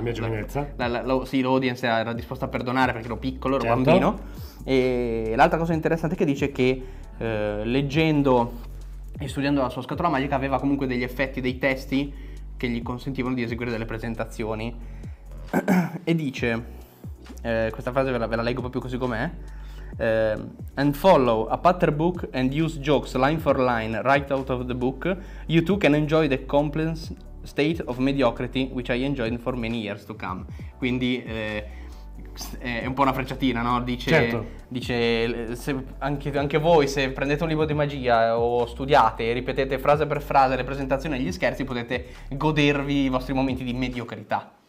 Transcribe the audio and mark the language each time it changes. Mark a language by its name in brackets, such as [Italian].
[Italian] mia giovinezza, sì, l'audience era disposta a perdonare perché ero piccolo, ero certo. bambino. E l'altra cosa interessante è che dice che leggendo e studiando la sua scatola magica aveva comunque degli effetti, dei testi che gli consentivano di eseguire delle presentazioni. E dice, questa frase ve la leggo proprio così com'è: [English] and follow a pattern book and use jokes line for line right out of the book, you too can enjoy the complex state of mediocrity which I enjoyed for many years to come. [Italian] Quindi è un po' una frecciatina, no? Dice, certo. dice se anche voi, se prendete un libro di magia o studiate e ripetete frase per frase le presentazioni e gli scherzi, potete godervi i vostri momenti di mediocrità.